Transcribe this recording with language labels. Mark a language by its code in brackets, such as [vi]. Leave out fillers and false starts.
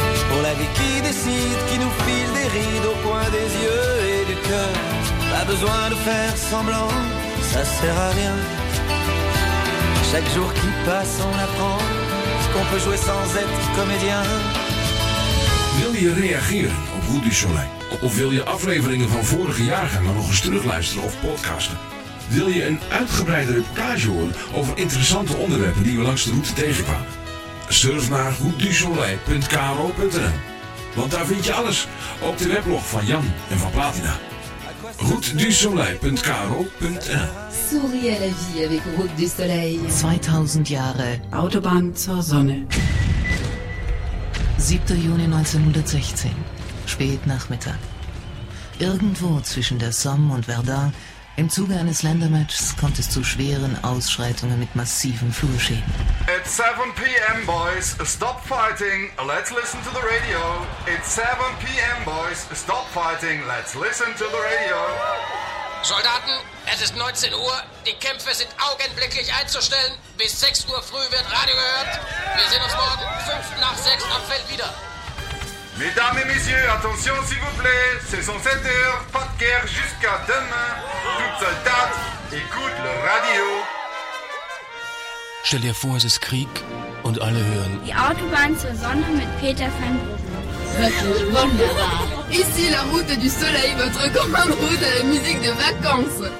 [fr] Pour la vie qui décide, qui nous file des rides au coin des yeux et du cœur. Pas besoin de faire semblant, ça sert à rien. Chaque jour qui passe, on apprend qu'on peut jouer sans être comédien. [nl] Wil je reageren op Rue du Soleil? Of wil je afleveringen van vorige jaargang nog eens terugluisteren of podcasten? Wil je een uitgebreide reportage horen over interessante onderwerpen die we langs de route tegenkwamen? Surf naar routedusoleil.kro.nl. Want daar vind je alles op de weblog van Jan en van Platina. Routedusoleil.kro.nl. [fr] Souris à la vie avec Route du Soleil. [de] 2000 Jahre. Autobahn zur Sonne. 7. Juni 1916. Spätnachmittag. Irgendwo zwischen der Somme und Verdun, im Zuge eines Ländermatches, kommt es zu schweren Ausschreitungen mit massiven Flurschäden. [en] It's 7 p.m. boys, stop fighting, let's listen to the radio. It's 7 p.m. boys, stop fighting, let's listen to the radio. [de] Soldaten, es ist 19 Uhr, die Kämpfe sind augenblicklich einzustellen. Bis 6 Uhr früh wird Radio gehört. Wir sehen uns morgen 5 nach 6 am Feld wieder. [fr] Mesdames et messieurs, attention s'il vous plaît, saison 7 heures, pas de guerre jusqu'à demain. Toutes soldats, écoute le radio. [de] Stell dir vor, es ist Krieg und alle hören. Die Autobahn zur Sonne mit Peter van Bruggen. [fr] Ici la route du soleil, votre copain de route à la musique de vacances.